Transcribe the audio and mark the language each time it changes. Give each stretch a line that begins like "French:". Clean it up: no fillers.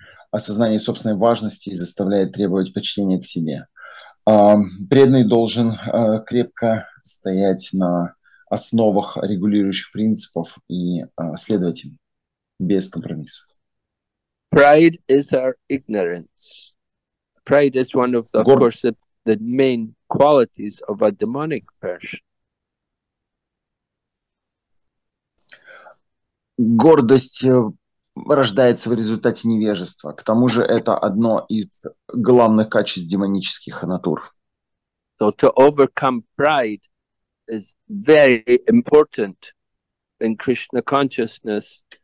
Russian: Осознание собственной важности заставляет требовать почтения к себе. Преданный должен крепко стоять на основах регулирующих принципов и следовать им без компромиссов.
English: Pride is our ignorance. Pride is one of the, the main qualities of a demonic person.
Russian: Гордость рождается в результате невежества. К тому же это одно из главных качеств демонических натур.
English: So to overcome pride is very important in Krishna consciousness.